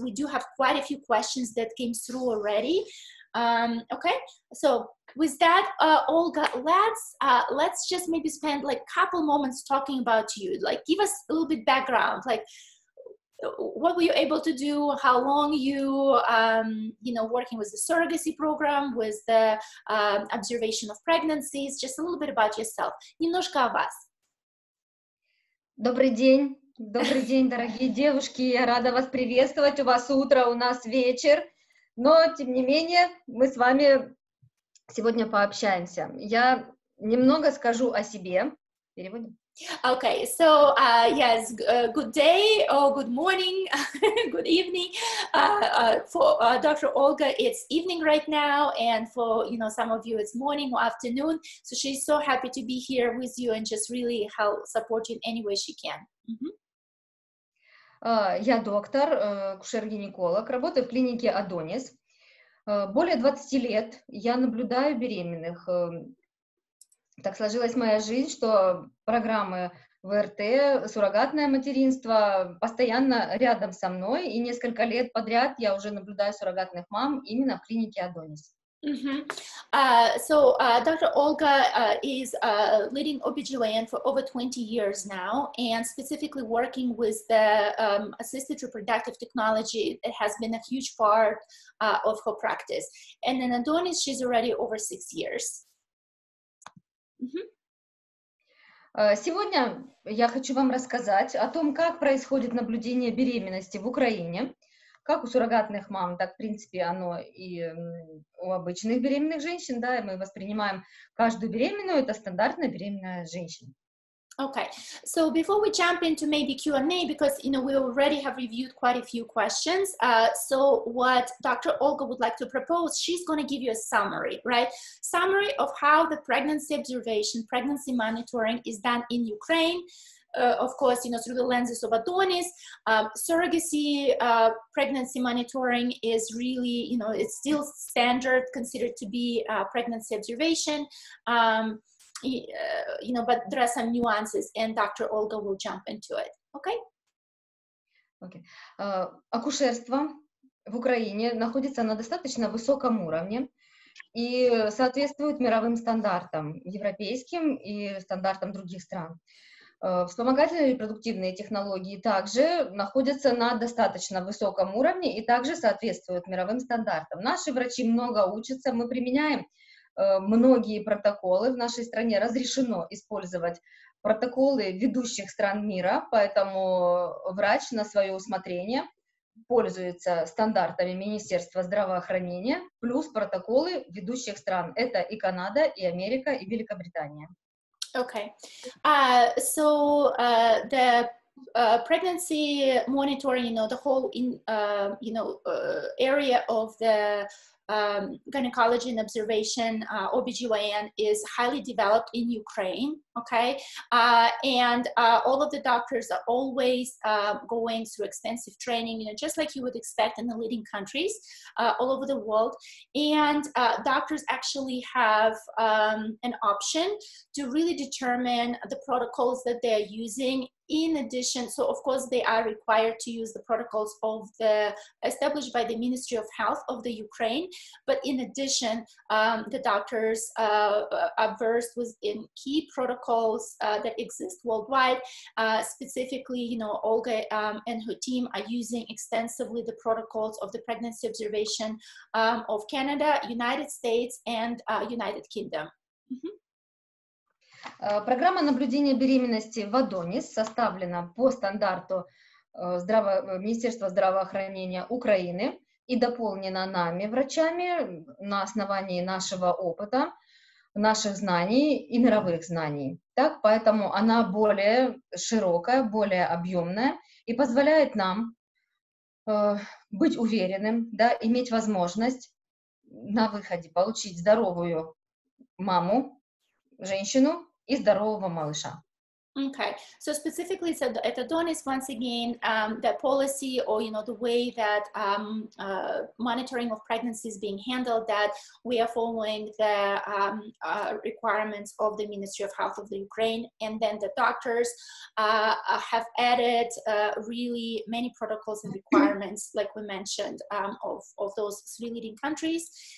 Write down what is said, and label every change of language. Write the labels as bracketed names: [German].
[English] We do have quite a few questions that came through already. Okay, so with that, Olga, let's just maybe spend like a couple moments talking about you. Like give us a little bit background, like, what were you able to do? How long you, you know, working with the surrogacy program, with the observation of pregnancies? Just a little bit about yourself. [Russian] Немножко о вас. Добрый день, дорогие девушки. Я рада вас приветствовать. У вас утро, у нас вечер. Но, тем не менее, мы с вами сегодня пообщаемся. Я немного скажу о себе. Переводим. [English] Okay, so yes, good day or good morning, good evening. For Dr. Olga, it's evening right now, and for, you know, some of you, it's morning or afternoon. So she's so happy to be here with you and just really help support you in any way she can. [Russian] Я доктор, акушер-гинеколог, работаю в клинике Адонис. Более 20 лет я наблюдаю беременных. Так сложилась моя жизнь, что программы ВРТ, суррогатное материнство постоянно рядом со мной, и несколько лет подряд я уже наблюдаю суррогатных мам именно в клинике Адонис. [English] Dr. Olga is leading OBGYN for over 20 years now, and specifically working with the assisted reproductive technology. It has been a huge part of her practice. And in Адонис, she's already over 6 years. [Russian] Сегодня я хочу вам рассказать о том, как происходит наблюдение беременности в Украине, как у суррогатных мам, так, в принципе, оно и у обычных беременных женщин, да, и мы воспринимаем каждую беременную, это стандартная беременная женщина. [English] Okay, so before we jump into maybe Q&A, because, you know, we already have reviewed quite a few questions, so what Dr. Olga would like to propose, she's going to give you a summary, right? Summary of how the pregnancy observation, pregnancy monitoring is done in Ukraine, of course, you know, through the lenses of Adonis. Surrogacy pregnancy monitoring is really, you know, it's still standard, considered to be pregnancy observation. You know, but there are some nuances, and Dr. Olga will jump into it. Okay? Okay. [Russian] Акушерство в Украине находится на достаточно высоком уровне и соответствует мировым стандартам, европейским и стандартам других стран. Вспомогательные репродуктивные технологии также находятся на достаточно высоком уровне и также соответствуют мировым стандартам. Наши врачи много учатся, мы применяем многие протоколы в нашей стране, разрешено использовать протоколы ведущих стран мира, поэтому врач на свое усмотрение пользуется стандартами Министерства здравоохранения плюс протоколы ведущих стран. Это и Канада, и Америка, и Великобритания. [English] Okay. So the pregnancy monitoring, you know, the whole in, you know, area of the gynecology and observation, OBGYN, is highly developed in Ukraine, okay? And all of the doctors are always going through extensive training, you know, just like you would expect in the leading countries all over the world. And doctors actually have an option to really determine the protocols that they're using. In addition, so of course they are required to use the protocols of the established by the Ministry of Health of the Ukraine, but in addition, the doctors are versed within key protocols that exist worldwide. Specifically, you know, Olga and her team are using extensively the protocols of the pregnancy observation of Canada, United States, and United Kingdom. Mm-hmm. [Russian] Программа наблюдения беременности в Адонис составлена по стандарту Министерства здравоохранения Украины и дополнена нами, врачами, на основании нашего опыта, наших знаний и мировых знаний. Так, поэтому она более широкая, более объемная и позволяет нам быть уверенным, да, иметь возможность на выходе получить здоровую маму, женщину, и здорового малыша. [English] Okay, so specifically, so at Adonis, once again, the policy or, you know, the way that monitoring of pregnancy is being handled, that we are following the requirements of the Ministry of Health of the Ukraine, and then the doctors have added really many protocols and requirements, like we mentioned, of those three leading countries.